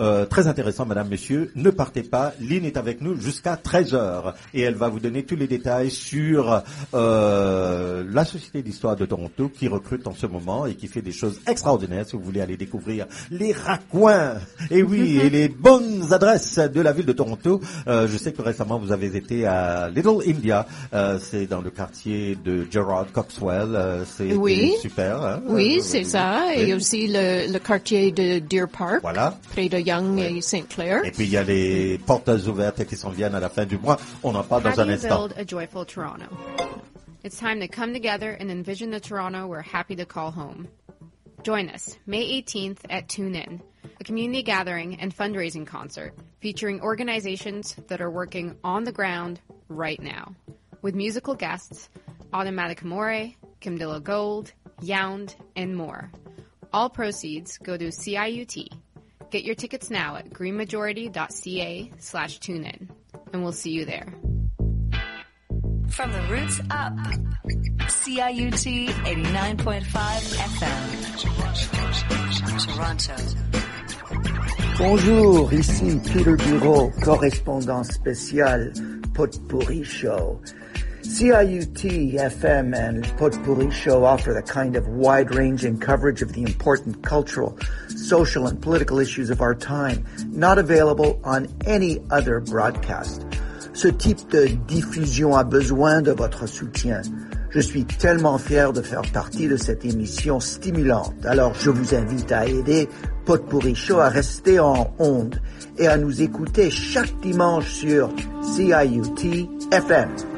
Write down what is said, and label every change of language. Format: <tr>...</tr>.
<fr>Très intéressant, madame, monsieur. Ne partez pas. Lynn est avec nous jusqu'à 13h et elle va vous donner tous les détails sur la Société d'histoire de Toronto qui recrute en ce moment et qui fait des choses extraordinaires si vous voulez aller découvrir les raccoins et oui, et les bonnes adresses de la ville de Toronto. Je sais que récemment, vous avez été à Little India. c'est dans le quartier de Gerard Coxwell. C'est oui. super. Hein? Oui, c'est oui. ça. Et oui. aussi le quartier de Deer Park, voilà. près de Young oui. et Saint-Clair. Et puis, il y a les portes ouvertes qui s'en viennent à la fin du mois. On en parle dans un instant.</fr> <en>How do you build a joyful Toronto? It's time to come together and envision the Toronto we're happy to call home. Join us May 18th at Tune In, a community gathering and fundraising concert featuring organizations that are working on the ground right now. With musical guests, Automatic Amore, Camdilla Gold, Yound, and more. All proceeds go to CIUT. Get your tickets now at greenmajority.ca/tunein, and we'll see you there. From the roots up, CIUT 89.5 FM. Toronto.</en> <fr>Bonjour, ici Peter Bureau, correspondant spécial Potpourri Show.</fr> <en>CIUT FM and Potpourri Show offer the kind of wide-ranging coverage of the important cultural, social, and political issues of our time, not available on any other broadcast.</en> <fr>Ce type de diffusion a besoin de votre soutien. Je suis tellement fier de faire partie de cette émission stimulante. Alors, je vous invite à aider Potpourri Show à rester en onde et à nous écouter chaque dimanche sur CIUT FM.</fr>